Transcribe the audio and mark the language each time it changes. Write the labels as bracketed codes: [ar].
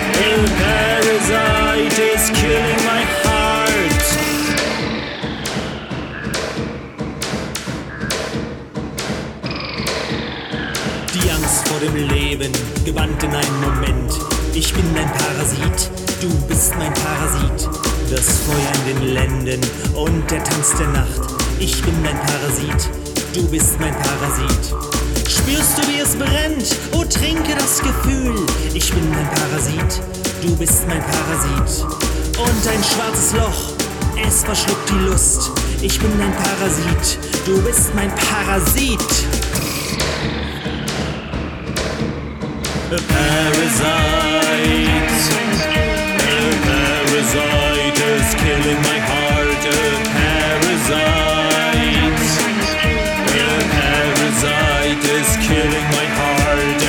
[en] A parasite is killing my heart. [de] Die Angst vor dem Leben gewandt in einen Moment. Ich bin dein Parasit, du bist mein Parasit. Das Feuer in den Lenden und der Tanz der Nacht. Ich bin dein Parasit, du bist mein Parasit. Spürst du, wie es brennt? Oh, trinke das Gefühl. Ich bin dein Parasit, du bist mein Parasit. Und ein schwarzes Loch, es verschluckt die Lust. Ich bin dein Parasit, du bist mein Parasit. [en] A parasite. A parasite is killing my heart. A parasite. A parasite is killing my heart.